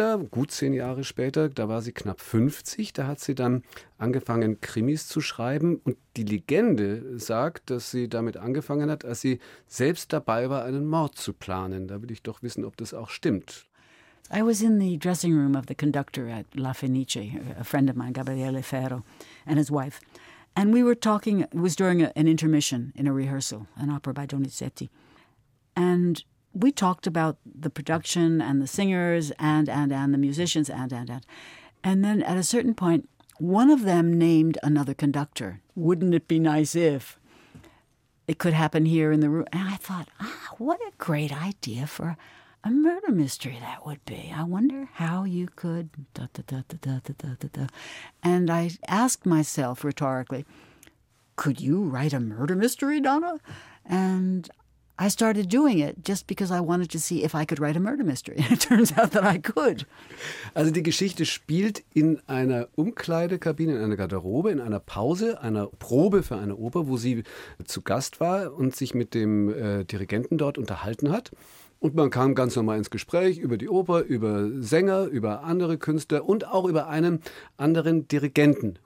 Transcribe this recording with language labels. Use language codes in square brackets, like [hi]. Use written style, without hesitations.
[de] Gut zehn Jahre später, da war sie knapp 50, da hat sie dann angefangen, Krimis zu schreiben. Und die Legende sagt, dass sie damit angefangen hat, als sie selbst dabei war, einen Mord zu planen. Da will ich doch wissen, ob das auch stimmt. [en] I was in the dressing room of the conductor at La Fenice, a friend of mine, Gabriele Ferro, and his wife. And we were talking, it was during an intermission in a rehearsal, an opera by Donizetti. And we talked about the production and the singers and the musicians and. And then at a certain point, one of them named another conductor. Wouldn't it be nice if it could happen here in the room? And I thought, what a great idea for a murder mystery that would be. I wonder how you could da da da da da da da da da. And I asked myself rhetorically, could you write a murder mystery, Donna? And I started doing it just because I wanted to see if I could write a murder mystery. And it turns out that I could. [de] Also die Geschichte spielt in einer Umkleidekabine, in einer Garderobe, in einer Pause, einer Probe für eine Oper, wo sie zu Gast war und sich mit dem Dirigenten dort unterhalten hat. Und man kam ganz normal ins Gespräch über die Oper, über Sänger, über andere Künstler und auch über einen anderen Dirigenten.